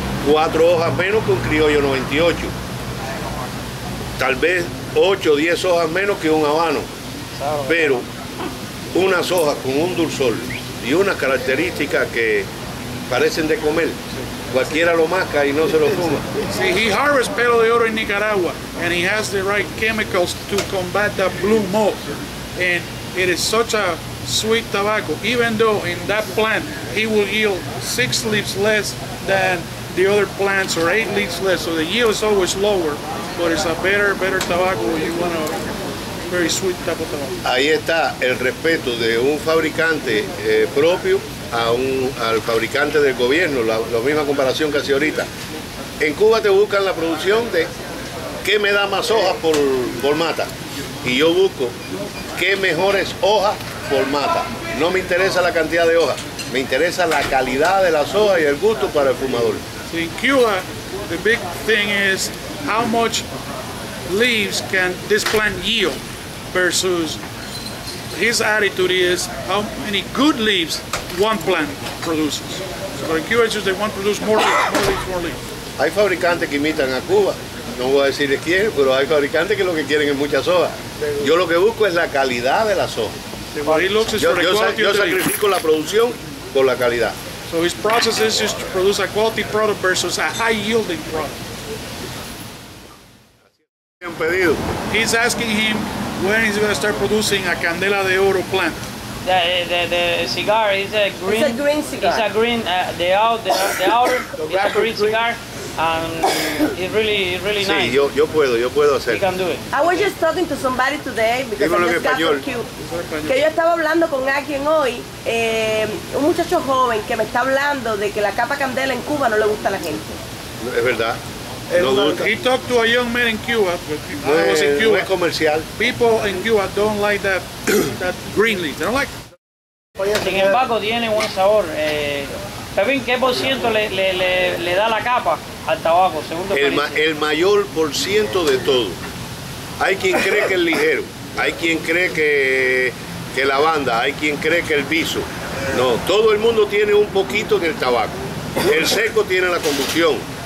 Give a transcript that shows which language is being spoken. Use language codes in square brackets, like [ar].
[es] 4 hojas menos que un Criollo 98. Tal vez 8 o 10 hojas menos que un Habano, pero unas hojas con un dulzor y unas características que parecen de comer, cualquiera lo masca y no se lo fuma. [en] See, he harvests Pelo de Oro in Nicaragua and he has the right chemicals to combat that blue mold, and it is such a sweet tobacco, even though in that plant he will yield 6 leaves less than the other plants, or 8 leaves less, so the yield is always lower, but it's a better tobacco. You want a very sweet type of tobacco. [es] Ahí está el respeto de un fabricante propio al fabricante del gobierno, la misma comparación que hace ahorita. En Cuba te buscan la producción de qué me da más hojas por mata, y yo busco qué mejores hojas por mata. No me interesa la cantidad de hojas, me interesa la calidad de las hojas y el gusto para el fumador. [en] In Cuba, the big thing is how much leaves can this plant yield versus his attitude is how many good leaves one plant produces. So in Cuba, it's just they want to produce more leaves. [es] Hay fabricantes que imitan a Cuba. No voy a decir quién, pero hay fabricantes que lo que quieren es muchas hojas. Yo lo que busco es la calidad de las hojas. Yo sacrifico la producción por la calidad. [en] So his process is just to produce a quality product versus a high-yielding product. He's asking him when he's going to start producing a Candela de Oro plant. The cigar is a green. It's a green cigar. It's a green. The outer is a green cigar. And it's really, really nice. [es] Sí, yo puedo hacer. [en] You can do it. I was just talking to somebody today because I'm just cute. [es] Que yo estaba hablando con alguien hoy, un muchacho joven que me está hablando de que la capa candela en Cuba no le gusta a la gente. Es verdad. [en] He talked to a young man in Cuba. I was in Cuba. [es] No es comercial. [en] People in Cuba don't like that green leaf. They don't like it. [es] Sin embargo, tiene buen sabor. Pepín, ¿qué por ciento le da la capa al tabaco? Segundo el mayor por ciento de todo. Hay quien cree que es ligero. Hay quien cree que la banda. Hay quien cree que el viso. No, todo el mundo tiene un poquito en el tabaco. El seco tiene la combustión.